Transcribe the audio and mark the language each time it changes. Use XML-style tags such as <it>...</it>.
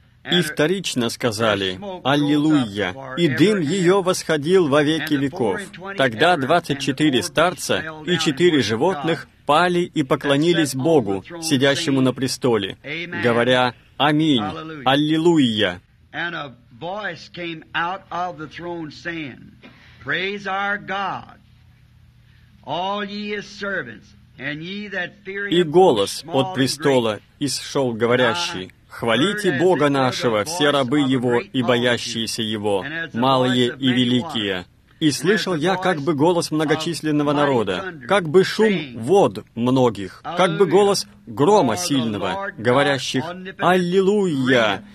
<ru>И вторично сказали: «Аллилуйя!» И дым ее восходил во веки веков. Тогда 24 старца и 4 животных пали и поклонились Богу, сидящему на престоле, говоря: «Аминь! Аллилуйя!»</ru> <en>Voice came out of the throne saying, Praise our God, all ye his servants, and ye that fear him.</en> <ru>И голос от престола исшел говорящий: Хвалите Бога нашего, все рабы Его и боящиеся Его, малые и великие. И слышал я как бы голос многочисленного народа, как бы шум вод многих, как бы голос грома сильного, говорящих: «Аллилуйя!</ru>